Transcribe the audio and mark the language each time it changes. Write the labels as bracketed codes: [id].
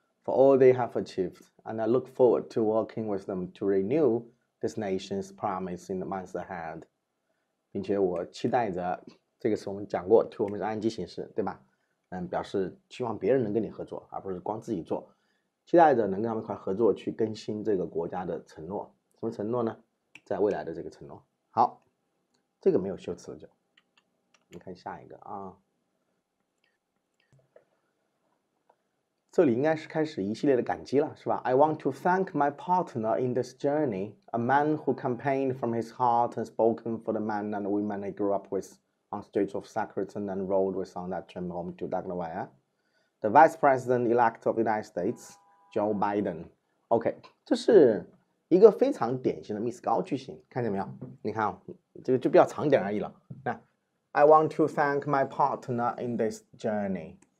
[en] For all they have achieved, and I look forward to working with them to renew this nation's promise in the months ahead。 [zh] 并且我期待着，这个是我们讲过，to 我们是 ing 形式，对吧？表示希望别人能跟你合作，而不是光自己做。期待着能跟他们一块合作，去更新这个国家的承诺。什么承诺呢？在未来的这个承诺。好，这个没有修辞了就。你看下一个啊，这里应该是开始一系列的感激了，是吧？ [en] I want to thank my partner in this journey, a man who campaigned from his heart and spoken for the men and women he grew up with on streets of Sacramento and rode with on that train home to Delaware, the Vice President-elect of the United States, Joe Biden. [zh] OK，这是一个非常典型的 Miss 高句型，看见没有？你看啊，这个就比较长点而已了，那。 [en] I want to thank my partner in this journey。